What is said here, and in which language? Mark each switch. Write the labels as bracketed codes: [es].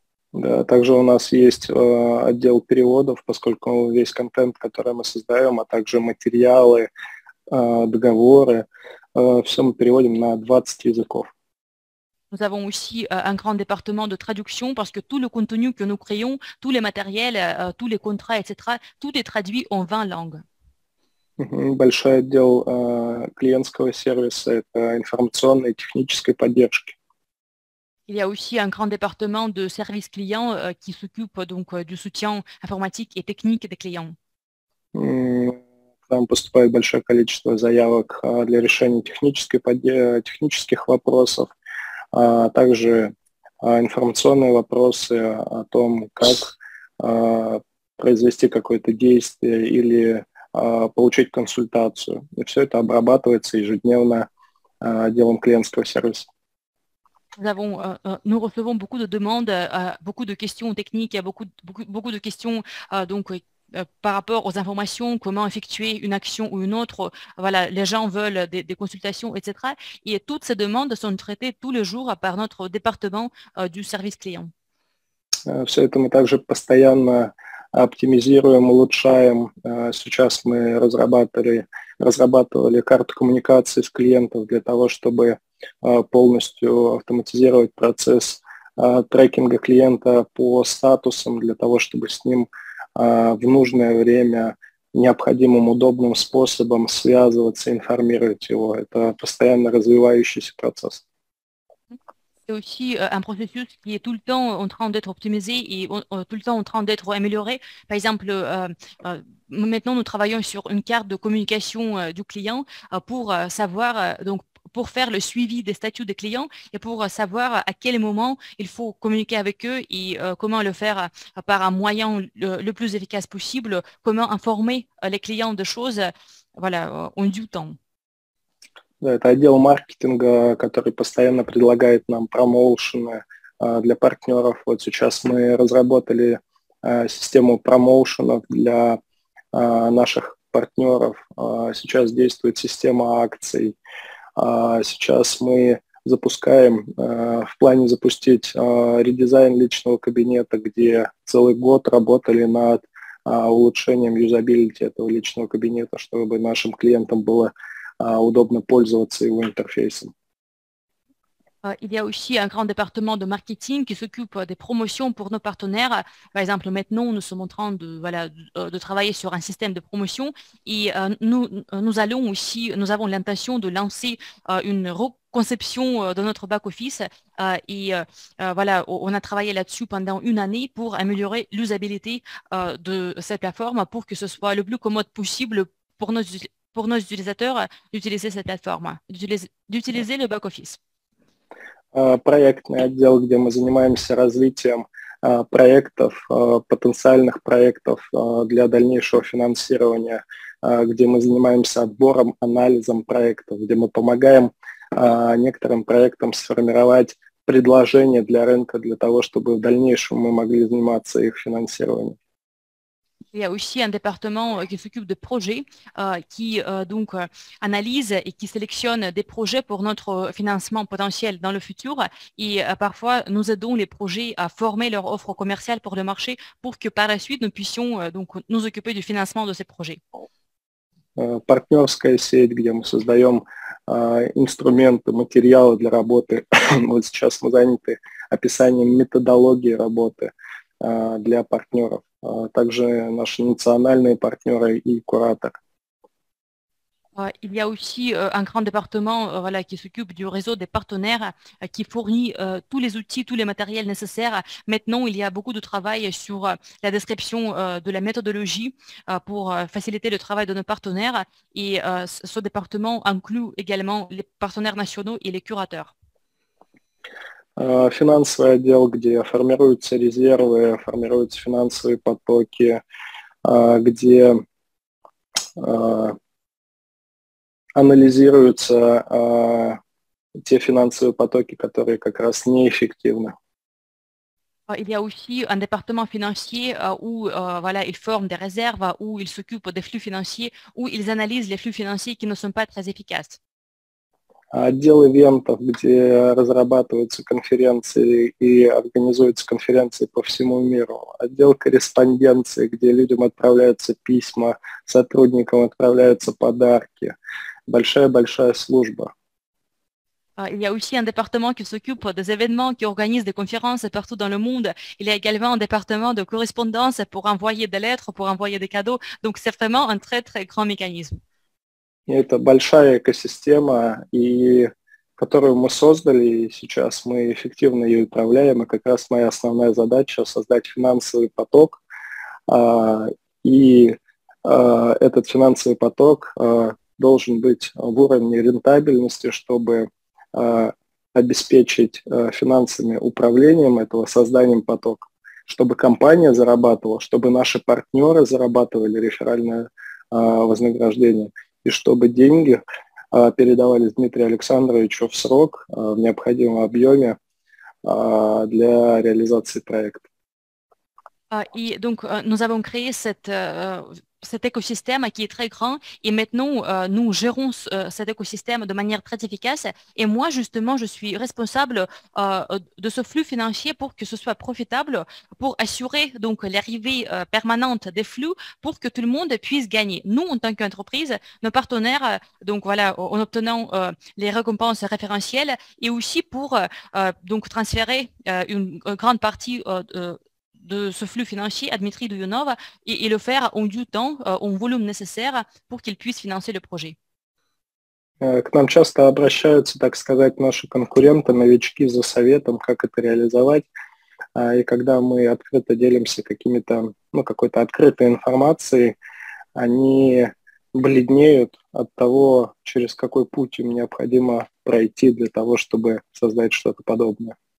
[ru] Да, также у нас есть отдел переводов, поскольку весь контент, который мы создаем, а также материалы, договоры, все мы переводим на 20 языков. [fr] Nous avons aussi un grand département de traduction parce que tout le contenu que nous créons, tous les matériels, tous les contrats, etc., tout est traduit en 20 langues. [ru] Большой отдел клиентского сервиса – это информационной и технической поддержки. [fr] Il y a aussi un grand département de service client qui s'occupe donc du soutien informatique et technique des clients. [ru] Там поступает большое количество заявок для решения технических вопросов, а также информационные вопросы о том, как произвести какое-то действие или получить консультацию. И все это обрабатывается ежедневно отделом клиентского сервиса. [fr] Nous recevons beaucoup de demandes, beaucoup de questions techniques, beaucoup de questions, donc par rapport aux informations, comment effectuer une action ou une autre, voilà, les gens veulent des consultations, etc. Et toutes ces demandes sont traitées tous les jours par notre département du service client. [ru] Все это мы также постоянно оптимизируем, улучшаем. Сейчас мы разрабатывали карту коммуникации с клиентом для того, чтобы полностью автоматизировать процесс трекинга клиента по статусам, для того, чтобы с ним в нужное время необходимым удобным способом связываться, информировать его. Это постоянно развивающийся процесс. [fr] C'est aussi un processus qui est tout le temps en train d'être optimisé et tout le temps en train d'être amélioré. Par exemple, maintenant nous travaillons sur une carte de communication du client pour savoir, donc pour faire le suivi des statuts des clients et pour savoir à quel moment il faut communiquer avec eux et comment le faire par un moyen le plus efficace possible, comment informer les clients de choses voilà, en due temps. [ru] Да, это отдел маркетинга, который постоянно предлагает нам промоушены для партнеров. Вот сейчас мы разработали систему промоушенов для наших партнеров. Сейчас действует система акций. Сейчас мы запускаем, в плане запустить редизайн личного кабинета, где целый год работали над улучшением юзабилити этого личного кабинета, чтобы нашим клиентам было удобно пользоваться его интерфейсом. [fr] Il y a aussi un grand département de marketing qui s'occupe des promotions pour nos partenaires. Par exemple, maintenant, nous sommes en train de travailler sur un système de promotion et nous avons l'intention de lancer une reconception de notre back-office. On a travaillé là-dessus pendant une année pour améliorer l'usabilité de cette plateforme pour que ce soit le plus commode possible pour nos utilisateurs d'utiliser cette plateforme, d'utiliser le back-office. [ru] Проектный отдел, где мы занимаемся развитием проектов, потенциальных проектов для дальнейшего финансирования, где мы занимаемся отбором, анализом проектов, где мы помогаем некоторым проектам сформировать предложение для рынка, для того, чтобы в дальнейшем мы могли заниматься их финансированием. [fr] Il y a aussi un département qui s'occupe de projets, qui analyse et qui sélectionne des projets pour notre financement potentiel dans le futur. Et parfois, nous aidons les projets à former leur offre commerciale pour le marché pour que par la suite, nous puissions nous occuper du financement de ces projets. [ru] Партнерская сеть, где мы создаем инструменты, материалы для работы. Вот сейчас мы заняты описанием методологии работы для партнеров. Также наши национальные партнеры и куратор. [fr] Il y a aussi un grand département qui s'occupe du réseau des partenaires qui fournit tous les outils, tous les matériels nécessaires. Maintenant, il y a beaucoup de travail sur la description de la méthodologie pour faciliter le travail de nos partenaires. Et ce département inclut également les partenaires nationaux et les curateurs. [ru] Финансовый отдел, где формируются резервы, формируются финансовые потоки, где анализируются те финансовые потоки, которые как раз неэффективны. [fr] Il y a aussi un département financier où ils forment des réserves, où ils s'occupent des flux financiers, où ils analysent les flux financiers qui ne sont pas très efficaces. [ru] Отдел ивентов, где разрабатываются конференции и организуются конференции по всему миру. Отдел корреспонденции, где людям отправляются письма, сотрудникам отправляются подарки. Большая-большая служба. [fr] Il y a aussi un département qui s'occupe des événements, qui organise des conférences partout dans le monde. Il y a également un département de correspondance pour envoyer des lettres, pour envoyer des cadeaux. Donc c'est vraiment un très très grand mécanisme. [ru] Это большая экосистема, и которую мы создали, и сейчас мы эффективно ее управляем, и как раз моя основная задача – создать финансовый поток, этот финансовый поток должен быть в уровне рентабельности, чтобы обеспечить финансовыми управлением этого, созданием потока, чтобы компания зарабатывала, чтобы наши партнеры зарабатывали реферальное вознаграждение. И чтобы деньги передавались Дмитрию Александровичу в срок, в необходимом объеме для реализации проекта. [fr] И donc, nous avons créé cette, cet écosystème qui est très grand et maintenant nous gérons cet écosystème de manière très efficace et moi justement je suis responsable de ce flux financier pour que ce soit profitable pour assurer donc l'arrivée permanente des flux pour que tout le monde puisse gagner. Nous en tant qu'entreprise, nos partenaires, donc voilà, en obtenant les récompenses référentielles et aussi pour donc transférer une grande partie de ce flux financier à Dmitri Douyonov et le faire en due temps, en volume nécessaire pour qu'il puisse financer le projet. [ru] К нам часто обращаются, так сказать, наши конкуренты, новички за советом, как это реализовать. И когда мы открыто делимся какими-то, ну, какой-то открытой информацией, они бледнеют от того, через какой путь им необходимо пройти для того, чтобы создать что-то подобное.